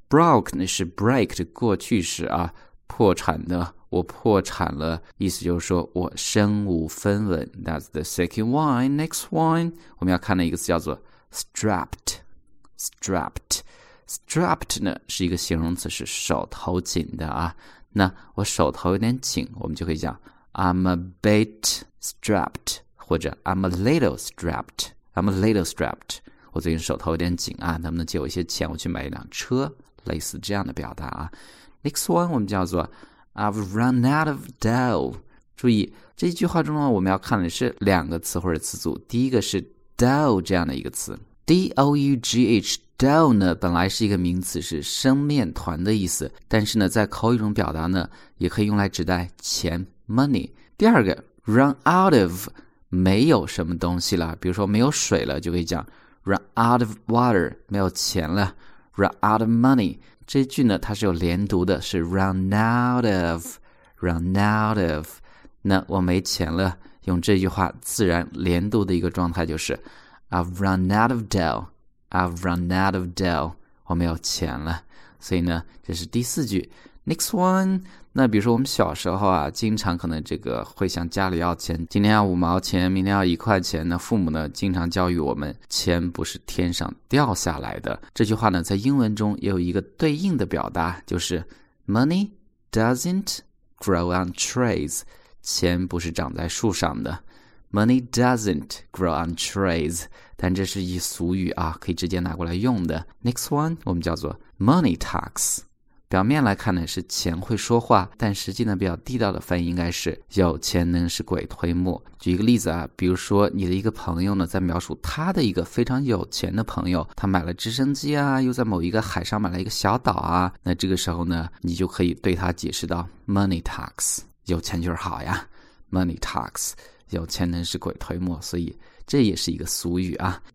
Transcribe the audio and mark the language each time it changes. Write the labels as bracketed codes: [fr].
[zh] Broke 那是 break 的过去式啊，破产的，我破产了，意思就是说我身无分文。 [en] That's the second one. Next one [zh] 我们要看的一个词叫做 [en] strapped. Strapped. [zh] Strapped 呢是一个形容词，是手头紧的啊。那我手头有点紧，我们就可以讲 [en] I'm a bit strapped, [zh] 或者 [en] I'm a little strapped, I'm a little strapped. [zh] 我最近手头有点紧啊，能不能借我一些钱，我去买一辆车，类似这样的表达啊。 [en] Next one [zh] 我们叫做 [en] I've run out of dough. [zh] 注意这一句话中呢，我们要看的是两个词或者词组。第一个是 dough 这样的一个词。D-O-U-G-H, dough 呢本来是一个名词，是生面团的意思，但是呢在口语中表达呢也可以用来指代钱。Money. 第二个 run out of 没有什么东西了，比如说没有水了，就可以讲 [en] run out of water [zh] 没有钱了， [en] run out of money. [zh] 这句呢它是有连读的，是 [en] run out of, run out of. [zh] 那我没钱了，用这句话自然连读的一个状态就是 [en] I've run out of dough, I've run out of dough. [zh] 我没有钱了，所以呢这是第四句。Next one, 那比如说我们小时候啊，经常可能这个会向家里要钱，今天要五毛钱，明天要一块钱，那父母呢经常教育我们钱不是天上掉下来的。这句话呢在英文中也有一个对应的表达，就是 [en] Money doesn't grow on trees, [zh] 钱不是长在树上的。 [en] Money doesn't grow on trees, [zh] 但这是一俗语啊，可以直接拿过来用的。 [en] Next one, [zh] 我们叫做 [en] Money talks。 [zh] 表面来看呢是钱会说话，但实际呢比较地道的翻译应该是有钱能使鬼推磨。举一个例子啊，比如说你的一个朋友呢在描述他的一个非常有钱的朋友，他买了直升机啊，又在某一个海上买了一个小岛啊，那这个时候呢你就可以对他解释到 [en] money talks, [zh] 有钱就是好呀， money talks, 有钱能使鬼推磨，所以这也是一个俗语啊。